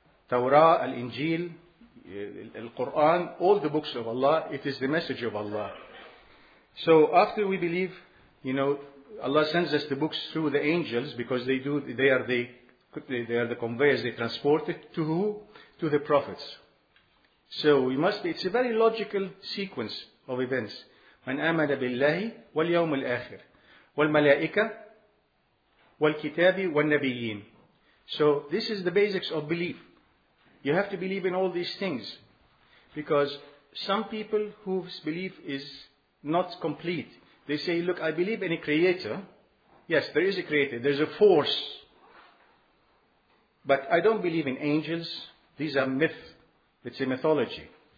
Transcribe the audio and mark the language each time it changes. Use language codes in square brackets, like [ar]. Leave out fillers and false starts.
[en] توراة, الإنجيل, القرآن, all the books of Allah, it is the message of Allah. So after we believe, you know, Allah sends us the books through the angels, because they are the conveyors, they transport it to who? To the prophets. So it's a very logical sequence of events. [ar] مَنْ آمَنَ بِاللَّهِ وَالْيَوْمِ الْآخِرِ وَالْمَلَائِكَةِ وَالْكِتَابِ وَالنَّبِيِّينَ [en] So this is the basics of belief. You have to believe in all these things. Because some people whose belief is not complete, they say, look, I believe in a creator. Yes, there is a creator. There's a force. But I don't believe in angels. These are myths. It's a mythology.